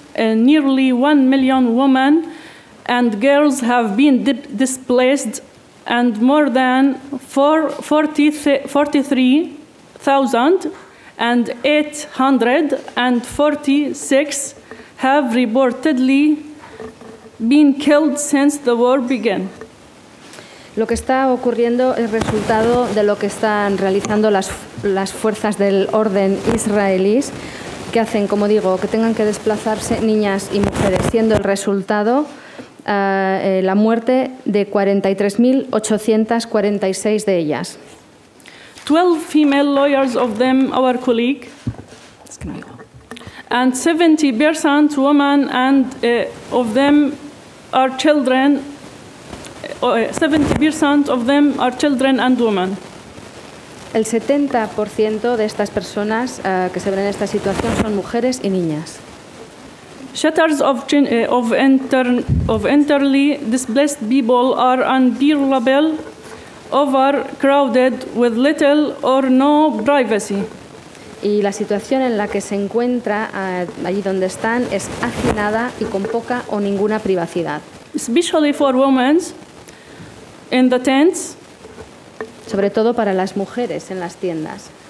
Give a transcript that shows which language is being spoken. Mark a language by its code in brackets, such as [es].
[en] Nearly 1 million women and girls have been displaced, and more than 43,846 have reportedly been killed since the war began. [es] Lo que está ocurriendo es resultado de lo que están realizando las fuerzas del orden israelíes, que hacen, como digo, que tengan que desplazarse niñas y mujeres, siendo el resultado la muerte de 43,846 de ellas. [en] 12 female lawyers of them, our colleague, and 70 Bersant women and of them are children. 70% of them are children and women. [es] El 70% de estas personas que se ven en esta situación son mujeres y niñas. [en] Shutters of internally displaced people are unbearable, overcrowded with little or no privacy. [es] Y la situación en la que se encuentra allí donde están es hacinada y con poca o ninguna privacidad. [en] Especially for women in the tents. [es] Sobre todo para las mujeres en las tiendas.